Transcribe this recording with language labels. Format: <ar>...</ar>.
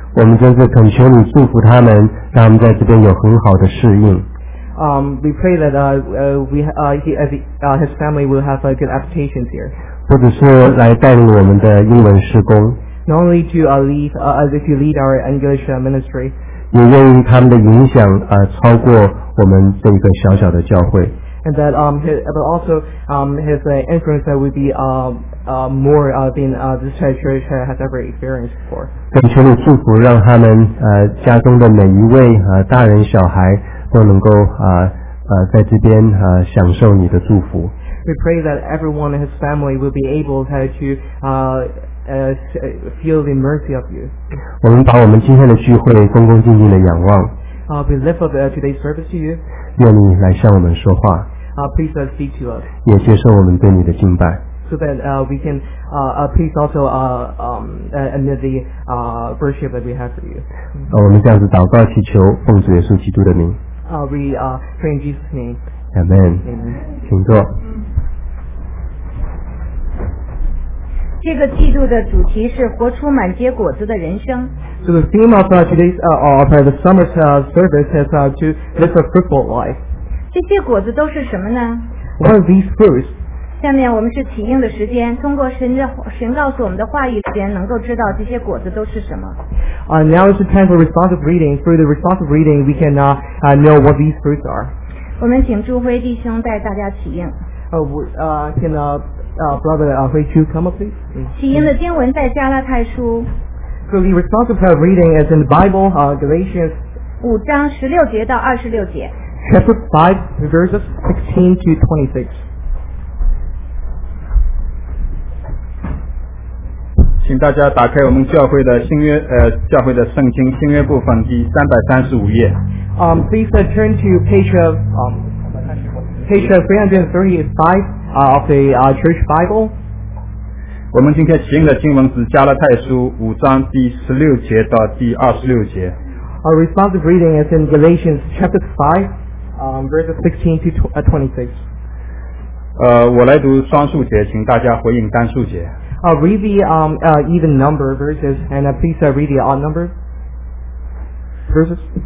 <zh>我们真是恳求你祝福他们，让他们在这边有很好的适应。</zh> <en>We pray that his family will have a good adaptation here.</en> <zh>不只是来带领我们的英文事工</zh> <en>，not only to lead our English ministry，</en> <zh>也愿意他们的影响超过我们这个小小的教会。</zh> <en>And that his influence will be more than this church has ever experienced before.</en> <zh>恳求你祝福，让他们家中的每一位大人小孩都能够在这边享受你的祝福。</zh> <en>We pray that everyone in his family will be able to feel the mercy of you.</en> <zh>我们把我们今天的聚会恭恭敬敬的仰望。</zh> <en>We lift up today's service to you.</en> <zh>愿你来向我们说话。</zh> <en>Please speak to us.</en> <zh>也接受我们对你的敬拜。</zh> <en>So that we can please also admit the worship that we have for you.</en> <zh>我们这样子祷告祈求，奉主耶稣基督的名。</zh> <en>We pray in Jesus' name. Amen. Amen.</en> <zh>请坐。这个季度的主题是活出满结果子的人生。</zh> <en>So the theme of today's service is to live a fruitful life.</en> <zh>这些果子都是什么呢？</zh> <en>What are these fruits?</en> <zh>下面我们是起应的时间，通过神告诉我们的话语时间，能够知道这些果子都是什么。</zh> <en>Now is the time for responsive reading. Through the responsive reading, we can know what these fruits are.</en> <zh>我们请朱辉弟兄带大家起应。</zh> <en>Brother, would you come up, please?</en> <zh>起因的经文在加拉太书。</zh> <en>So the responsive reading is in the Bible, Galatians</en> <zh>5章16节到26节。</zh> <en>chapter 5, verses 16 to 26.</en> <zh>请大家打开我们教会的新约，教会的圣经新约部分第335页。</zh> <en>Please turn to page 335 of the Church Bible.</en> <zh>我们今天使用的经文是加拉太书五章第十六节到第二十六节。</zh> <en>Our responsive reading is in Galatians chapter 5, verses 16 to 26.</en> <zh>我来读双数节，请大家回应单数节。</zh> <en>Read the even number verses, and please read the odd number verses.</en>